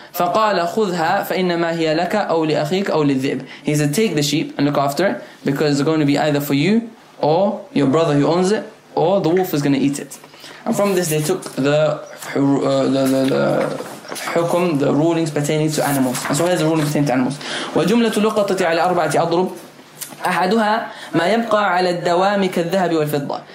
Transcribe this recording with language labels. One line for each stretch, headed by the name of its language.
Arabic: فقال خذها فإنما هي لك أو لأخيك أو للذئب.
English: He said, take the sheep and look after it, because it's going to be either for you or your brother who owns it, or the wolf is going to eat it. And from this they took the rulings pertaining to animals. And so here's the ruling pertaining to animals.
Arabic: وجملة لقطة على أربعة أضرب أحدها ما يبقى على الدوام كالذهب والفضة.